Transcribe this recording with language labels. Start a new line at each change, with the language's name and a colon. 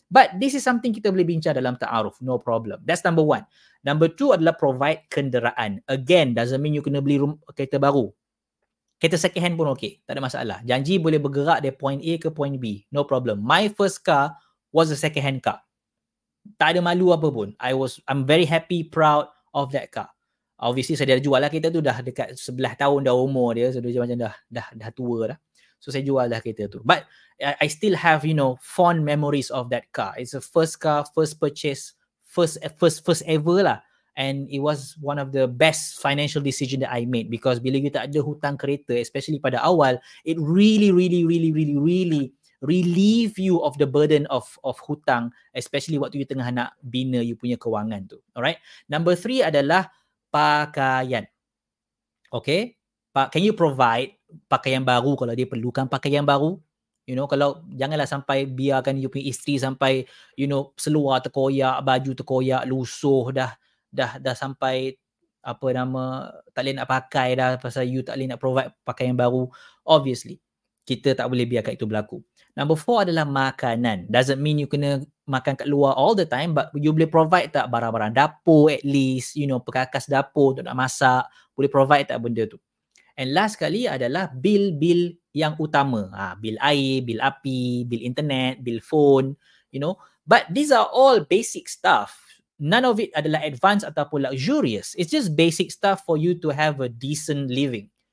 English: But this is something
Malay: kita boleh bincang dalam ta'aruf.
English: No problem. That's number one. Number two adalah provide kenderaan. Again, doesn't mean you
Malay: kena beli kereta baru. Kereta second hand pun okay. Tak ada masalah. Janji boleh bergerak dari point A ke point B.
English: No problem. My first car was a second hand car.
Malay: Tak ada malu apa pun.
English: I'm very happy, proud of that car.
Malay: Obviously, saya dah jual lah kereta tu. Dah dekat 11 tahun dah umur dia. So, dia macam dah tua dah. So, saya jual lah kereta tu.
English: But, I still have, you know, fond memories of that car. It's a first car, first purchase, first ever lah. And it was one of the best financial decision that I made, because
Malay: bila you tak ada hutang kereta,
English: especially pada awal, it really, really, really, really, really relieve you of the burden of hutang, especially
Malay: waktu you tengah nak bina you punya kewangan tu.
English: Alright? Number three
Malay: adalah pakaian. Okay?
English: Can you provide
Malay: pakaian baru kalau dia perlukan pakaian baru? You know, kalau janganlah sampai biarkan you punya isteri sampai,
English: you know,
Malay: seluar terkoyak, baju terkoyak, lusuh dah. Dah sampai apa nama tak boleh nak pakai dah pasal you tak boleh nak provide pakaian baru. Obviously, kita tak boleh biarkan itu berlaku. Number four adalah makanan.
English: Doesn't mean you
Malay: kena makan kat luar
English: all the time, but you
Malay: boleh provide tak barang-barang dapur
English: at least, you know,
Malay: perkakas dapur untuk nak masak, boleh provide tak benda tu. And last sekali adalah bil-bil yang utama. Ha, bil air, bil api, bil internet, bil phone, you know.
English: But these are all basic stuff. None of it adalah advanced ataupun luxurious. It's just basic stuff for you to have a decent living.